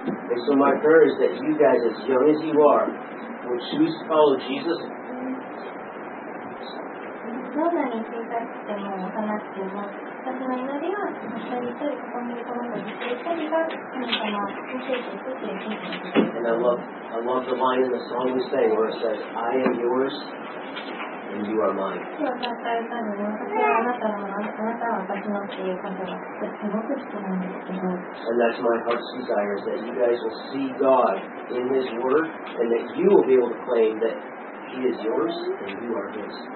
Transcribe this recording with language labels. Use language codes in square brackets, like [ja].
[en] And so my prayer is that you guys, as young as you are, will choose to follow Jesus. [ja] どんなに小さくても幼くても私の祈りは一人一人ここにいる子供たち一人一人が神様を教えていくという信じます。 [en] And I love the line in the song we sang where it says I am yours and you are mine. [ja] 今日歌った歌のね、私はあなたのもの、あなたは私のっていう感じがすごく好きなんですけど、 [en] And that's my heart's desire is that you guys will see God in His word and that you will be able to claim thatHe is yours and you are His.